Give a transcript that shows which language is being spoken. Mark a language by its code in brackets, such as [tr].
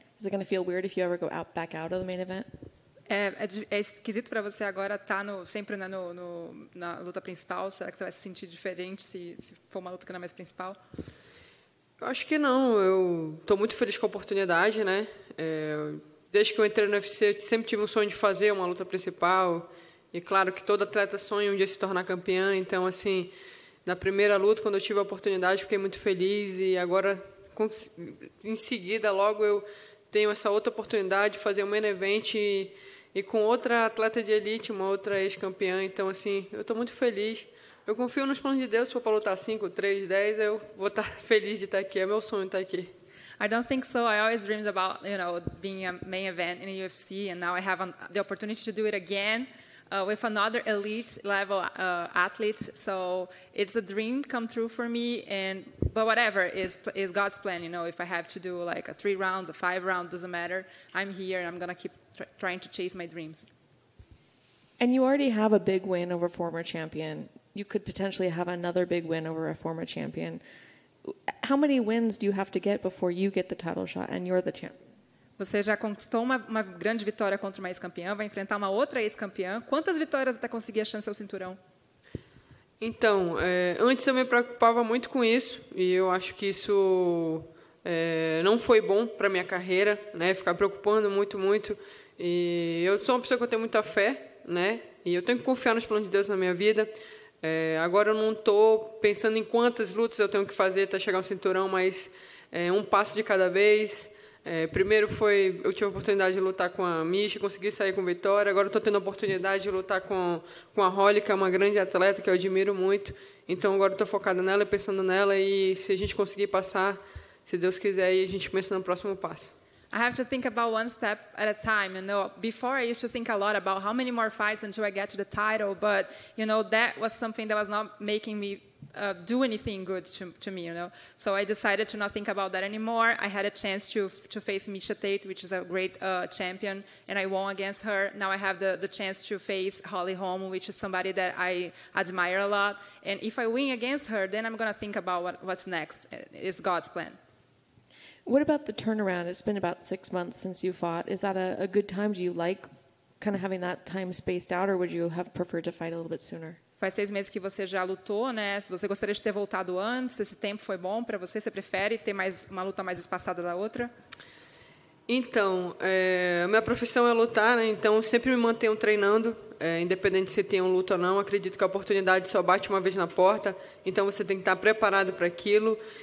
[en] Is it going to feel weird if you ever go out back out of the main event? [pt] É esquisito para você agora estar sempre na luta principal. Será que você vai se sentir diferente se for uma luta que não é mais principal? Eu acho que não. Eu estou muito feliz com a oportunidade, né? Desde que eu entrei no UFC, eu sempre tive um sonho de fazer uma luta principal. E claro que todo atleta sonha um dia se tornar campeã. Então, assim, na primeira luta, quando eu tive a oportunidade, fiquei muito feliz. E agora, em seguida, logo eu tenho essa outra oportunidade de fazer um main event e com outra atleta de elite, uma outra ex-campeã. Então, assim, eu estou muito feliz. Eu confio nos planos de Deus. Se for para lutar 5, 3, 10, eu vou estar feliz de estar aqui. É meu sonho estar aqui. [en] I don't think so. I always dreamed about, you know, being a main event in the UFC, and now I have the opportunity to do it again with another elite level athlete. So it's a dream come true for me. But whatever is God's plan. You know, if I have to do like a 3 rounds, a 5 rounds, doesn't matter. I'm here, and I'm gonna keep trying to chase my dreams. And you already have a big win over a former champion. You could potentially have another big win over a former champion. How many wins do you have to get before you get the title shot and you're the champ? [pt] Você já conquistou uma grande vitória contra uma ex-campeã, vai enfrentar uma outra ex-campeã. Quantas vitórias até conseguir a chance ao cinturão? Então, antes eu me preocupava muito com isso e eu acho que isso não foi bom para minha carreira, né? Ficar preocupando muito. E eu sou uma pessoa que eu tenho muita fé, né? E eu tenho que confiar nos planos de Deus na minha vida. Agora eu não estou pensando em quantas lutas eu tenho que fazer até chegar ao cinturão, mas um passo de cada vez. Primeiro foi, eu tive a oportunidade de lutar com a Misha, consegui sair com vitória. Agora estou tendo a oportunidade de lutar com a Holly, que é uma grande atleta que eu admiro muito. Então agora estou focada nela e pensando nela, e se a gente conseguir passar, se Deus quiser, aí a gente pensa no próximo passo. [en] I have to think about one step at a time, you know. Before, I used to think a lot about how many more fights until I get to the title, but, you know, that was something that was not making me do anything good to me, you know. So I decided to not think about that anymore. I had a chance to face Misha Tate, which is a great champion, and I won against her. Now I have the chance to face Holly Holm, which is somebody that I admire a lot. And if I win against her, then I'm going to think about what's next. It's God's plan. What about the turnaround? It's been about 6 months since you fought. Is that a good time? Do you like kind of having that time spaced out, or would you have preferred to fight a little bit sooner? [pt] Faz 6 meses que você já lutou, né? Se você gostaria de ter voltado antes, esse tempo foi bom para você? Você prefere ter mais uma luta mais espaçada da outra? Então, minha profissão é lutar, né? Então eu sempre me mantenho treinando, independente se tem um luto ou não. Acredito que a oportunidade só bate uma vez na porta, então você tem que estar preparado para aquilo.